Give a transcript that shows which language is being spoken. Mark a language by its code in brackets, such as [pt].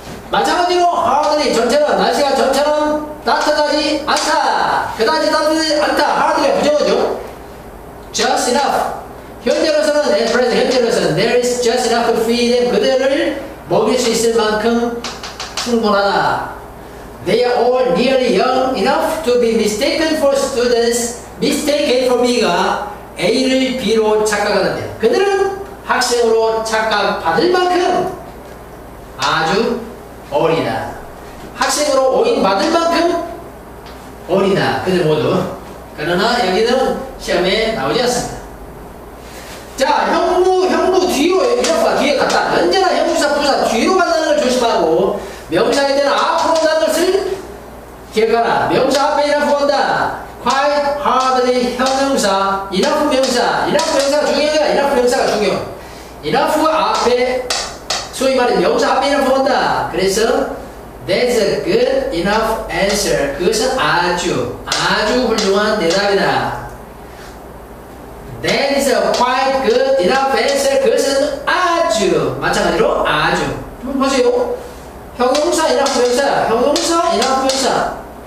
[ko] 마찬가지로 hardly 전체는 날씨가 전처럼 따뜻하지 않다. 그다지 따뜻하지 않다. hardly가 부정어죠. just enough 현재로서는 at present 현재로서는 [en] there is just enough to feed them [ko] 그들을 먹일 수 있을 만큼 충분하다. [en] They are all nearly young enough to be mistaken for students. [ko] Mistaken for me가 A를 B로 착각하는데 그들은 학생으로 착각받을 만큼 아주 어리다. 학생으로 오인받을 만큼 어리다. 그들 모두. 그러나 여기는 시험에 나오지 않습니다. 자, 형부 뒤로 이렇게 뒤에 갔다. 언제나 형부사 부사 뒤로 간다는 걸 조심하고 명사에 대한 앞으로 간다는 것을 기억하라. 명사 앞에 이라고 한다. quite hardly 형용사 enough 명사. enough 명사가 중요한 거야. enough 명사가 중요. enough 앞에 소위 말해 명사 앞에 이라고 한다. [en] 그래서 that's a good enough answer. [ko] 그것은 아주 훌륭한 대답이다. [en] that is a quite good enough answer. [ko] 그것은 아주 마찬가지로 아주. 보세요. 형용사 enough 명사. 형용사 enough 명사.